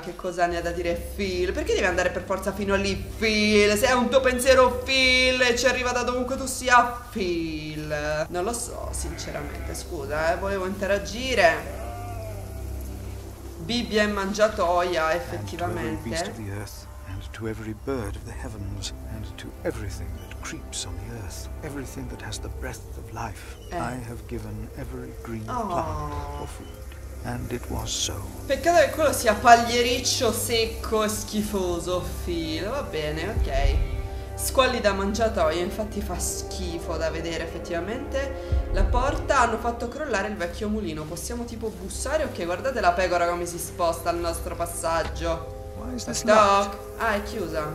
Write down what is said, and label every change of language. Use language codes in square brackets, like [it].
[it] Che cosa ne ha da dire Phil? Perché devi andare per forza fino a lì Phil? Se è un tuo pensiero Phil e ci arriva da dovunque tu sia Phil. Non lo so sinceramente. Scusa, volevo interagire. Bibbia e mangiatoia, effettivamente. [en] And to every beast of the earth, and to every bird of the heavens, and to everything that creeps on the earth, everything that has the breath of life, I have given every green plant for food. And it was so. [it] Peccato che quello sia pagliericcio secco e schifoso, Phil. Va bene, ok. Squallida mangiatoia, infatti fa schifo da vedere effettivamente. La porta, hanno fatto crollare il vecchio mulino. Possiamo tipo bussare? Ok, guardate la pecora come si sposta al nostro passaggio. Stop. Ah, è chiusa.